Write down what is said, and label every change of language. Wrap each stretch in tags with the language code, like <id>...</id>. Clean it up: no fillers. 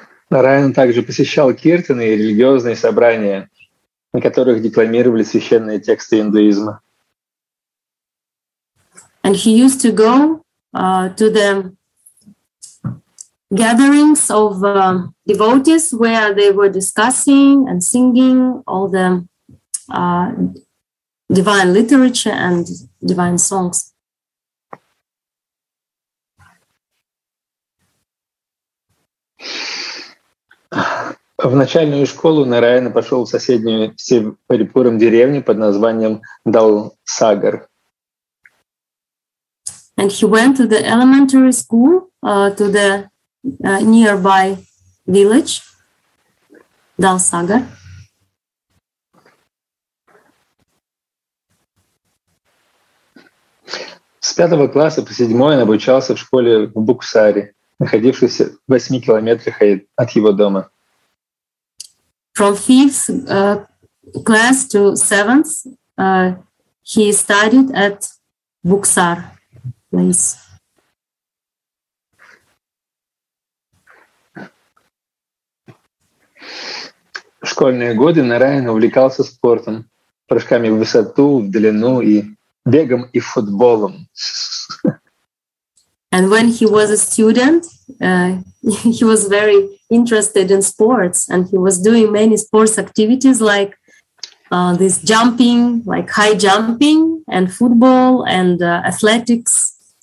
<ru>Нараяна также посещал киртаны и религиозные собрания, на которых декламировали священные тексты индуизма.</ru> <en>And he used to go to the gatherings of devotees where they were discussing and singing all the divine literature and divine songs.</en> <ru>В начальную школу Нараяна пошел в соседнюю Севарипурам деревню под названием Далсагар.</ru> <en>And he went to the elementary school to the nearby village Далсагар.</en> <ru>С пятого класса по седьмой он обучался в школе в Буксаре, находившейся в 8 километрах от его дома.</ru> <en>From fifth class to seventh, he studied at Buxar place.</en> <ru>В школьные годы Нараяна увлекался спортом, прыжками в высоту, в длину и бегом и футболом.</ru> <en>And when he was a student, he was very interested in sports, and he was doing many sports activities like this jumping, like high jumping, and football, and athletics.</en>